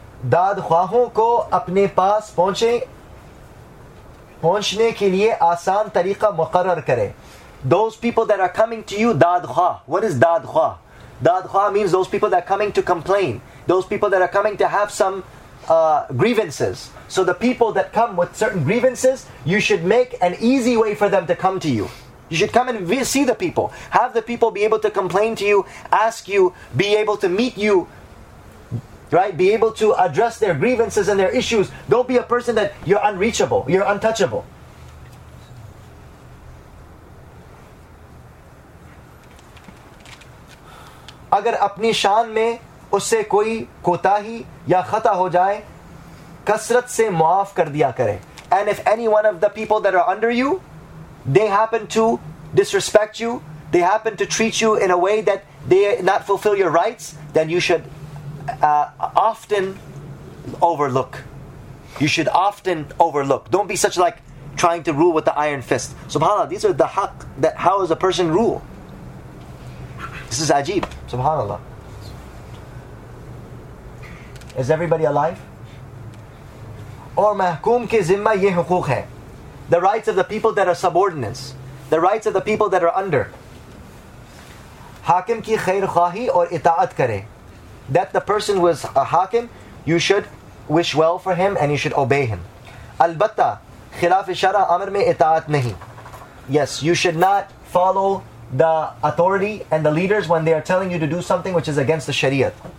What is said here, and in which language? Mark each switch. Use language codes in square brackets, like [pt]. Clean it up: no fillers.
[ur] داد خواہوں کو اپنے پاس پہنچنے کے لیے آسان طریقہ مقرر کرے. [en] Those people that are coming to you, داد خواہ. What is داد خواہ? داد خواہ means those people that are coming to complain. Those people that are coming to have some grievances. So the people that come with certain grievances, you should make an easy way for them to come to you. You should come and see the people. Have the people be able to complain to you, ask you, be able to meet you, right? Be able to address their grievances and their issues. Don't be a person that you're unreachable, you're untouchable. [ur] اگر اپنی شان میں اس سے کوئی کوتاہی یا خطا ہو جائے کثرت سے معاف کر دیا کرے. [en] And if any one of the people that are under you, they happen to disrespect you, they happen to treat you in a way that they not fulfill your rights, then you should often overlook. You should often overlook. Don't be such like trying to rule with the iron fist. SubhanAllah, these are the haq that how is a person rule? This is ajeeb. SubhanAllah. Is everybody alive? [ur] اور محکوم کے ذمہ یہ حقوق ہیں. [en] The rights of the people that are subordinates. The rights of the people that are under. [ur] حاکم کی خیر خواہی اور اطاعت کرے. [en] That the person was a hakim, you should wish well for him and you should obey him. [ur] Albatta, khilaf shara amr mein itaat nahi. [en] Yes, you should not follow the authority and the leaders when they are telling you to do something which is against the shariat.